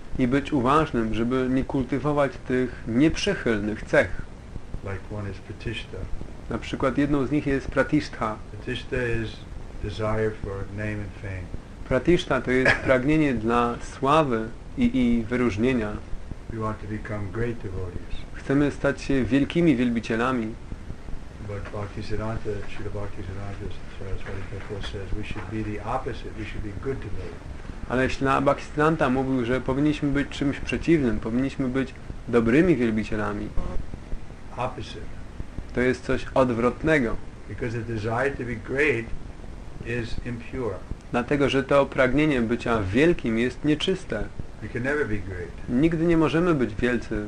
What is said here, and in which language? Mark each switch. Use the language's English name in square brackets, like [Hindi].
[Polish] I być uważnym, żeby nie kultywować tych nieprzychylnych cech. [English] Like one is pratishtha. [Polish] Na przykład jedną z nich jest pratishtha. [English] Pratishtha is desire for name and fame. [Polish] Pratishtha to jest pragnienie dla sławy i wyróżnienia. [English] We want to become great devotees. [Polish] Chcemy stać się wielkimi wielbicielami. [English] But Bhaktisiddhanta, Śrīla Bhaktisiddhanta Saraswati Thakura says we should be the opposite, we should be good devotees. [Polish] Ale Śrīla Bhaktisiddhanta mówił, że powinniśmy być czymś przeciwnym, powinniśmy być dobrymi wielbicielami. [English] Opposite. [Polish] To jest coś odwrotnego. [English] Because the desire to be great is impure. [Polish] Dlatego, że to pragnienie bycia wielkim jest nieczyste. [English] We can never be great. [Polish] Nigdy nie możemy być wielcy.